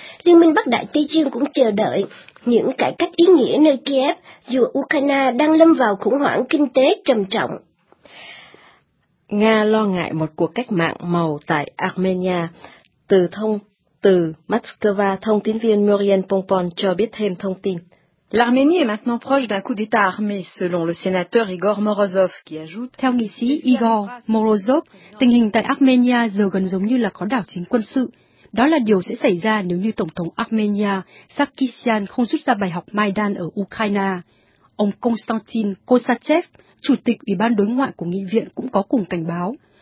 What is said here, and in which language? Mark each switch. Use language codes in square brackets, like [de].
[vi] Liên minh Bắc Đại Tây Dương cũng chờ đợi những cải cách ý nghĩa nơi Kiev, dù Ukraine đang lâm vào khủng hoảng kinh tế trầm trọng. Nga lo ngại một cuộc cách mạng màu tại Armenia. Từ thông Từ Moscow, thông tin viên Muriel Pompon cho biết thêm thông tin. [fr] L'Arménie est maintenant proche d'un coup d'État armé, selon le sénateur Igor Morozov, qui ajoute. [vi] Theo nghị sĩ Igor Morozov, tình hình tại Armenia giờ gần giống như là có đảo chính quân sự. Đó là điều sẽ xảy ra nếu như Tổng thống Armenia Sarkisian không rút ra bài học Maidan ở Ukraine. Ông Konstantin Kosachev, Chủ tịch Ủy ban Đối ngoại của Nghị viện cũng có cùng cảnh báo.